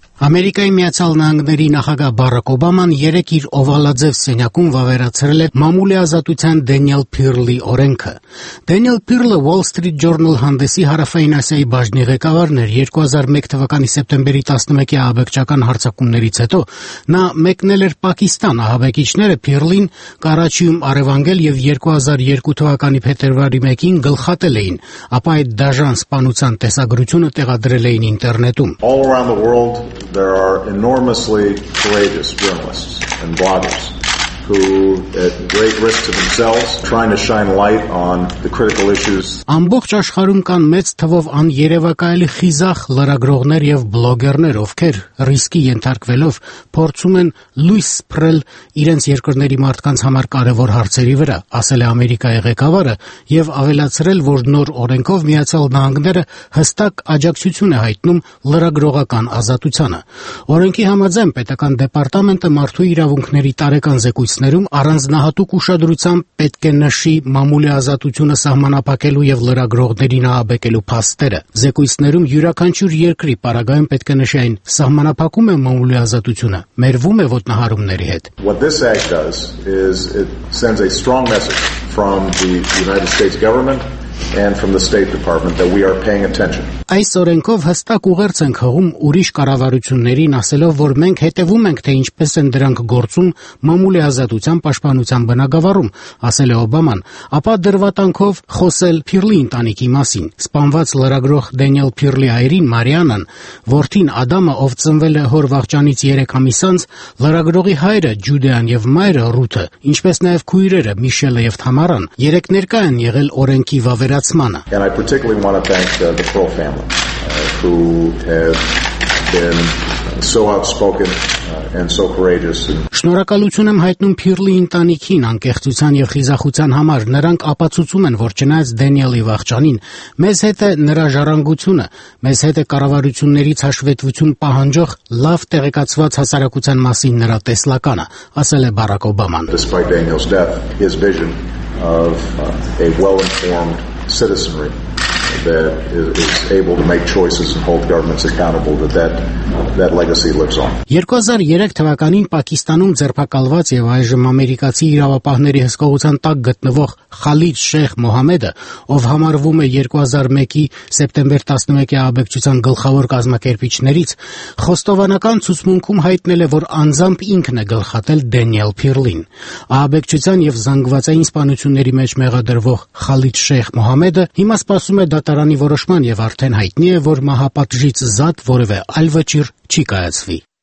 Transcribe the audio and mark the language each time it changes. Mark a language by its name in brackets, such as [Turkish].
[Armenian] Ամերիկայի Միացյալ Նահանգների նախագահ Բարակ Օբաման երեկ իր օվալաձև սենյակում վավերացրել է մամուլի ազատության Դենիել Փիրլի օրենքը։ Դենիել Փիրլը Wall Street Journal հանդեսի Հարավային Ասիայի բաժնի ղեկավարն էր 2001 թվականի սեպտեմբերի 11-ի ահաբեկչական հարձակումներից հետո։ Նա մեկնել էր Պակիստան, ահաբեկիչները Փիրլին Կարաչիում առևանգել և 2002 թվականի փետրվարի 1-ին գլխատել էին, ապա այդ դաժան սպանության տեսագրությունը տեղադրել էին ինտերնետում։ [English] There are enormously courageous journalists and bloggers who, at great risk to themselves, trying to shine light on the critical issues. [Armenian] Ամբողջ աշխարհում կան մեծ թվով աներևակայելի խիզախ լրագրողներ եւ բլոգերներ, ովքեր ռիսկի ենթարկվելով փորձում են լույս սփռել իրենց երկրների մարդկանց համար կարևոր հարցերի վրա, ասել է Ամերիկայի ղեկավարը եւ ավելացրել, որ նոր օրենքով Միացյալ Նահանգները հստակ աջակցություն է հայտնում լրագրողական ազատությանը։ Օրենքի համաձայն պետական դեպարտամենտը մարդու իրավունքների տարեկան ձեկույցներում առանձնահատուկ ուշադրությամբ պետք է նշի մամուլի ազատությունը սահմանապակելու եւ լրագրողներին ահաբեկելու փաստերը։ Ձեկույցներում յուրաքանչյուր երկրի պարագայում պետք է նշի այն սահմանապակում է մամուլի ազատությունը, մերվում է ոտնահարումների հետ։ [English] What this act does is it sends a strong message from the United States government and from the State Department that we are paying attention. [Armenian] Այս օրենքով հստակ ուղերձ ենք հղում ուրիշ կառավարություններին, ասելով, որ մենք հետևում ենք, թե ինչպես են դրանք գործում մամուլի ազատության պաշտպանության բնագավառում, ասել է Օբաման, ապա դրվատանքով խոսել Փիրլի ընտանիքի մասին։ Սպանված լրագրող Դենիել Փիրլի այրին Մարիանան, որդին Ադամը, ով ծնվել է հոր վաղճանից 3 ամիս անց, լրագրողի հայրը Ջուդեան եւ մայրը Ռութը, ինչպես նաեւ քույրերը Միշելը եւ Թամարան, երեք ներկա են եղել օրենքի վավերացմանը։ [English] Who have been so outspoken and so courageous. [Armenian] Շնորհակալություն եմ հայտնում Փիրլի ընտանիքին անկեղծության եւ խիզախության համար։ Նրանք ապացուցում են, որ չնայած Դենիելի վաղճանին, մեզ հետ է նրա ժառանգությունը, մեզ հետ է կառավարություններից հաշվետվություն պահանջող լավ տեղեկացված հասարակության մասին նրա տեսլականը, ասել է Բարակ Օբաման. [English] Despite Daniel's death, his vision of a well-informed citizenry that is able to make choices and hold governments accountable that legacy lives on. [Armenian] 2003 թվականին Պակիստանում ձերբակալված եւ այժմ ամերիկացի իրավապահների հսկողության տակ գտնվող Խալիդ Շեխ Մոհամեդը, ով համարվում է 2001-ի սեպտեմբեր 11-ի ահաբեկչության գլխավոր կազմակերպիչներից, խոստովանական ցուցմունքում հայտնել է, որ անձամբ ինքն է գլխատել Դենիել Փիրլին։ Ահաբեկչության եւ զանգվածային սպանությունների մեջ մեղադրվող Խալիդ Շեխ Մոհամեդը հիմա սպասում է դատարանի որոշման եւ արդեն հայտնի է, որ մահապատժից զատ որևէ այլ վճիր չի կայացվի։